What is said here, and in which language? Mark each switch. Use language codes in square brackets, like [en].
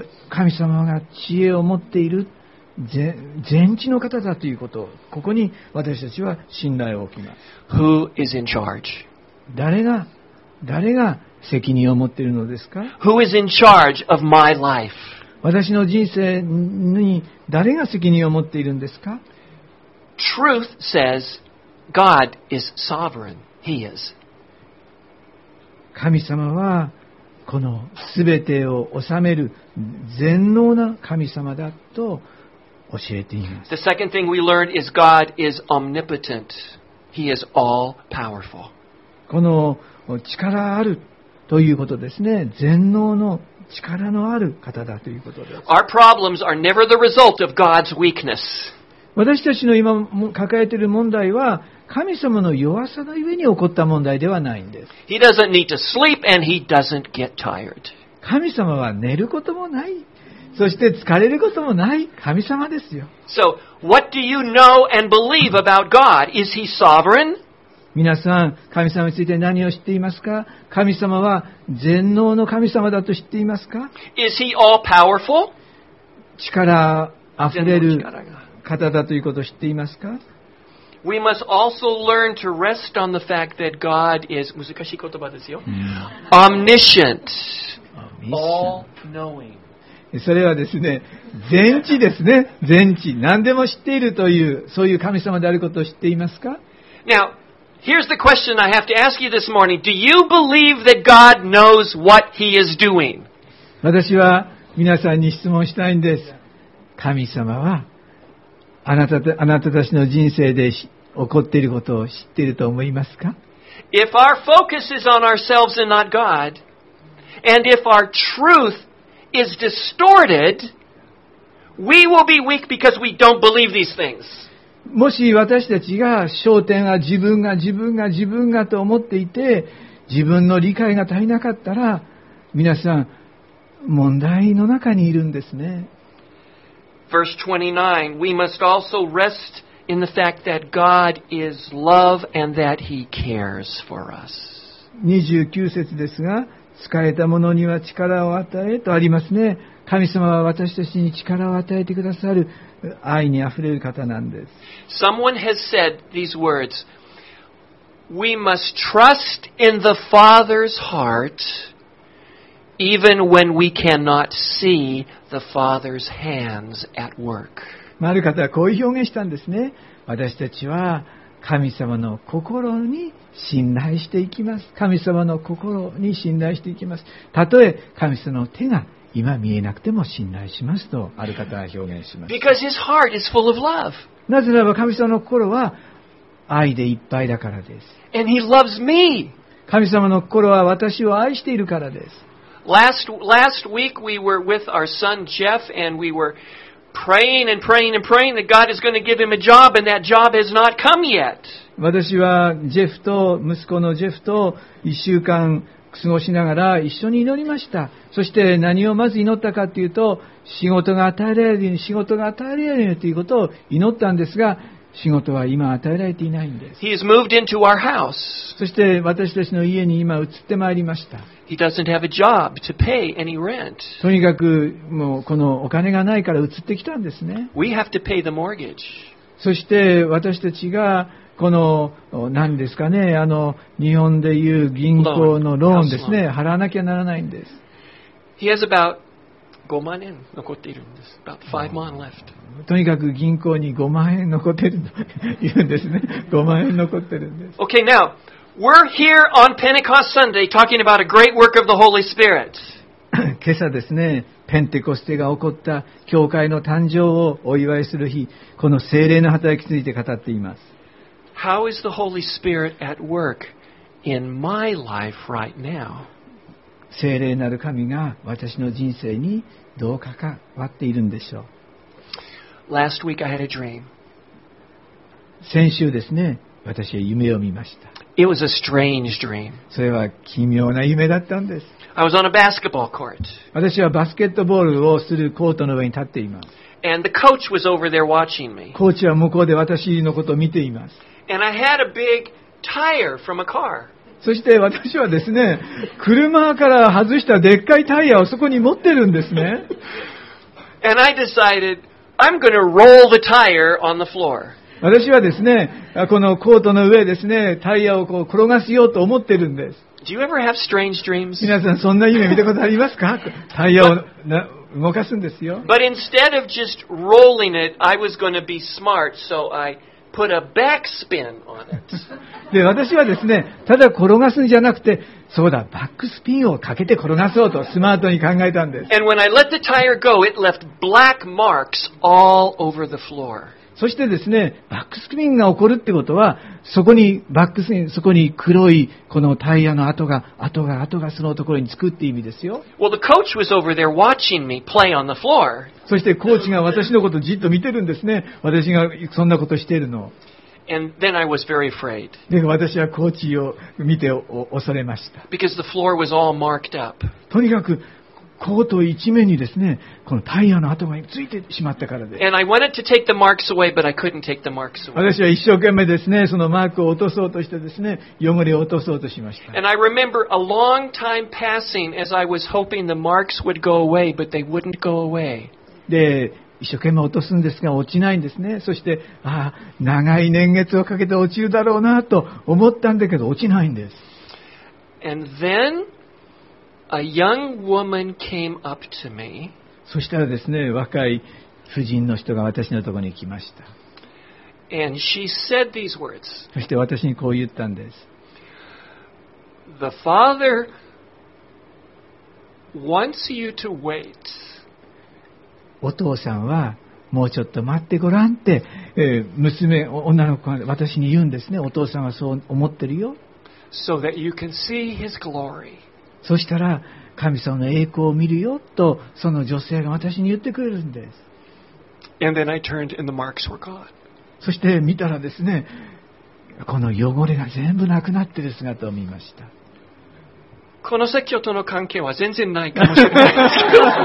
[ja] 神様が知恵を持っている。全知の方だということ、ここに私たちは信頼を置きます。 [en] Who is in charge? [ja] 誰が責任を持っているのですか? [en] Who is in charge of my life? [ja] 私の人生に誰が責任を持っているんですか? [en] Truth says God is sovereign. He is. [ja] 神様はこのすべてを治める全能な神様だと教えています。 [en] The second thing we learn is God is omnipotent. He is all powerful. [ja] この力あるということですね。全能の力のある方だということです。 [en] Our problems are never the result of God's weakness. [ja] 私たちの今抱えている問題は神様の弱さがゆえに起こった問題ではないんです。 [en] He doesn't need to sleep and he doesn't get tired. [ja] 神様は寝ることもない。そして疲れることもない神様ですよ。 [en] So, what do you know and believe about God? Is he sovereign? [ja] 皆さん、神様について何を知っていますか?神様は全能の神様だと知っていますか? [en] Is he all powerful? [ja] 力あふれる方だということを知っていますか? [en] We must also learn to rest on the fact that God is [ja] 難しい言葉ですよ。 [en] Omniscient. All-knowing. [ja] それはですね、全知ですね、全知。何でも知っているという、そういう神様であることを知っていますか? [en] Now, here's the question I have to ask you this morning. Do you believe that God knows what He is doing? [ja] 私は皆さんに質問したいんです。神様はあなたたちの人生で起こっていることを知っていると思いますか? [en] If our focus is on ourselves and not God, And if our truth is distorted, we will be weak because we don't believe these things. [ja] もし私たちが焦点が自分が自分が自分がと思っていて自分の理解が足りなかったら皆さん問題の中にいるんですね。 [en] Verse 29, we must also rest in the fact that God is love and that He cares for us. [ja] 29節ですが使えた者には力を与えとありますね。神様は私たちに力を与えてくださる愛にあふれる方なんです。 [en] Someone has said these words, We must trust in the Father's heart even when we cannot see the Father's hands at work. [ja] ある方はこういう表現したんですね。私たちは神様の心に信頼していきます。神様の心に信頼していきます。たとえ神様の手が今見えなくても信頼しますとある方は表現します。 [en] Because his heart is full of love. [ja] なぜならば神様の心は愛でいっぱいだからです。 [en] And he loves me. [ja] 神様の心は私を愛しているからです。 [en] Last week we were with our son Jeff and we were praying and praying and praying that God is going to give him a job and that job has not come yet. [ja] 私はジェフと息子のジェフと一週間過ごしながら一緒に祈りました。そして何をまず祈ったかというと、仕事が与えられるように、仕事が与えられるようにということを祈ったんですが、仕事は今与えられていないんです。 [en] He has moved into our house. [ja] そして私たちの家に今移ってまいりました。 [en] He doesn't have a job to pay any rent. [ja] とにかくもうこのお金がないから移ってきたんですね。 [en] We have to pay the mortgage. [ja] そして私たちがこの何ですかね、あの日本でいう銀行のローンですね、払わなきゃならないんです。 [en] He has about [ja] 5万円残っているんです。 [en] About 5万 left。 [ja] とにかく銀行に5万円残っているというんですね。 5万円残っているんです。 [en] Okay, now we're here on Pentecost Sunday talking about a great work of the Holy Spirit. [ja] 今朝ですね、ペンテコステが起こった教会の誕生をお祝いする日、この聖霊の働きについて語っています。 [en] How is the Holy Spirit at work in my life right now? [ja] 聖霊なる神が私の人生にどう関わっているんでしょう。 [en] Last week I had a dream. [ja] 先週ですね、私は夢を見ました。 [en] It was a strange dream. [ja] それは奇妙な夢だったんです。 [en] I was on a basketball court. [ja] 私はバスケットボールをするコートの上に立っています。 [en] And the coach was over there watching me. [ja] コーチは向こうで私のことを見ています。 [en] And I had a big tire from a car. [ja] そして私はですね、車から外したでっかいタイヤをそこに持ってるんですね。 [en] And I decided I'm going to roll the tire on the floor. [ja] 私はですね、このコートの上ですね、タイヤをこう転がしようと思ってるんです。 [en] Do you ever have strange dreams? [ja] 皆さんそんな夢見たことありますか？タイヤを動かすんですよ。 [en] But instead of just rolling it, I was going to be smart, so I. Put a backspin on it. [ja] で私はですね、ただ転がすんじゃなくて、そうだ、バックスピンをかけて転がそうとスマートに考えたんです。 [en] And when I let the tire go, it left black marks all over the floor. [ja] そしてですね、バックスピンが起こるってことは、そこにバックスピン、そこに黒いこのタイヤの跡がそのところにつくって意味ですよ。 [en] Well, the coach was over there watching me play on the floor. [ja] そしてコーチが私のことをじっと見てるんですね。私がそんなことをしているのを。で、私はコーチを見て恐れました。 [en] Because the floor was all marked up. [ja] とにかくコート一面にですね、このタイヤの跡がついてしまったからです。 [en] And I wanted to take the marks away, but I couldn't take the marks away. [ja] 私は一生懸命ですね、そのマークを落とそうとしてですね、汚れを落とそうとしました。 [en] And I remember a long time passing as I was hoping the marks would go away, but they wouldn't go away. [ja] で一生懸命落とすんですが落ちないんですね。そしてああ長い年月をかけて落ちるだろうなと思ったんだけど落ちないんです。 [en] And then, a young woman came up to me. [ja] そしたらですね若い婦人の人が私のところに来ました。 [en] And she said these words. [ja] そして私にこう言ったんです。 [en] The Father wants you to wait [ja] お父さんはもうちょっと待ってごらんって、娘女の子が私に言うんですね。お父さんはそう思ってるよ。 [en] So that you can see his glory. [ja] そしたら神様の栄光を見るよとその女性が私に言ってくれるんです。 [en] And then I turned and the marks were gone. [ja] そして見たらですね、この汚れが全部なくなっている姿を見ました。この説教との関係は全然ないかもしれないですけど